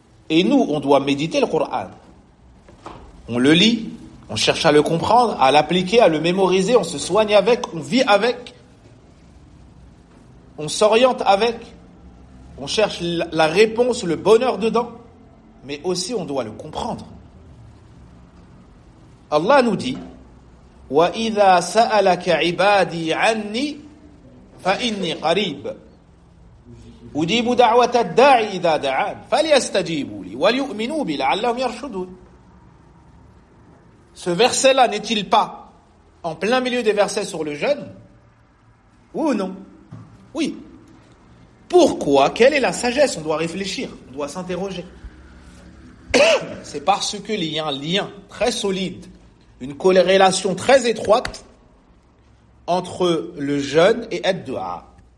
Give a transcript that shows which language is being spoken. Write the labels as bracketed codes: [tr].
[fr] Et nous, on doit méditer le Coran. On le lit, on cherche à le comprendre, à l'appliquer, à le mémoriser, on se soigne avec, on vit avec, on s'oriente avec, on cherche la réponse, le bonheur dedans. Mais aussi, on doit le comprendre. Allah nous dit, [ar] وَإِذَا سَأَلَكَ عِبَادِي عَنِّي فَإِنِّي قَرِيبٌ أُجِيبُ دَعْوَةَ الدَّاعِ إِذَا دَعَانِ فَلْيَسْتَجِيبُوا لِي وَلْيُؤْمِنُوا بِي لَعَلَّهُمْ يَرْشُدُونَ. [fr] Ce verset-là n'est-il pas en plein milieu des versets sur le jeûne? Oui ou non? Oui. Pourquoi? Quelle est la sagesse? On doit réfléchir, on doit s'interroger. C'est parce qu'il y a un lien très solide, une corrélation très étroite entre le jeûne et Ad-Dua.